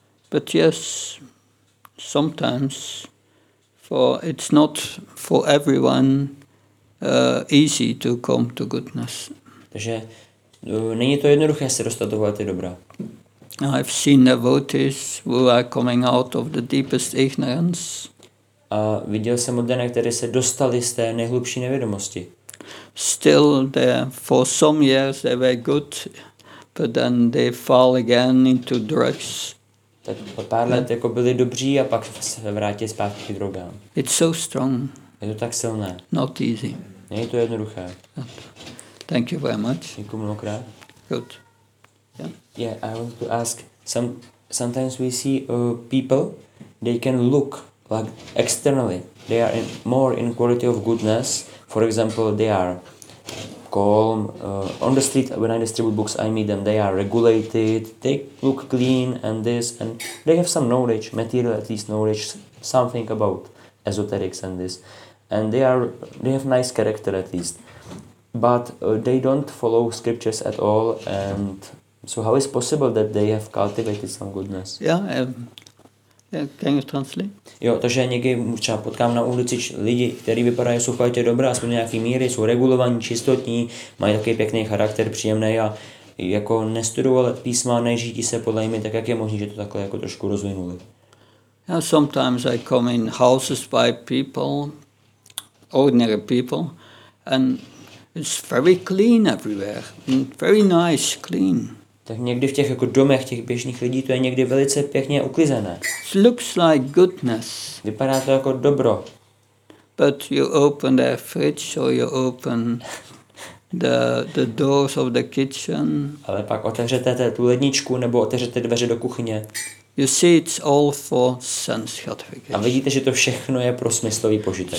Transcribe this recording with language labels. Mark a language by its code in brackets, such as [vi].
[en] But yes, sometimes for it's not for everyone easy to come to goodness. [cs] Takže není to jednoduché se dostat do kvality dobra. [en] I've seen devotees who are coming out of the deepest ignorance. [cs] A viděl jsem oddané, které se dostali z té nejhlubší nevědomosti. [en] Still there for some years they were good, but then they fall again into drugs. [cs] Tak po pár let jako byli dobří a pak se vrátili zpátky k drogám. [en] It's so strong. [cs] Je to tak silné. [en] Not easy. [cs] Není to jednoduché. [en] Thank you very much. [cs] Děkuji mnohokrát. [en] Good. Yeah, I want to ask. Sometimes we see people, they can look like externally, they are more in quality of goodness. For example, they are calm. On the street, when I distribute books, I meet them. They are regulated. They look clean and this, and they have some knowledge, material at least knowledge, something about esoterics and this. And they have nice character at least. But they don't follow scriptures at all. And so how is possible that they have cultivated some goodness? Can you translate? [cs] Jo, takže někdy třeba potkám na ulici lidi, kteří vypadají, jsou chvalitě dobré, aspoň nějaký míry, jsou regulovaní, čistotní, mají takový pěkný charakter, příjemný a jako nestudovali písma, nežítí se podle jimi, tak jak je možný, že to takhle jako trošku rozvinuli? [en] Yeah, sometimes I come in houses by people, ordinary people, and it's very clean everywhere, very nice, clean. [cs] Tak někdy v těch jako domech těch běžných lidí to je někdy velice pěkně uklizené. [en] It looks like goodness. [cs] Vypadá to jako dobro. [en] But you open the fridge or you open the doors of the kitchen. [cs] Ale pak otevřete tu ledničku nebo otevřete dveře do kuchyně. [en] You see it's all for sense gratification. [cs] A vidíte, že to všechno je pro smyslový požitek.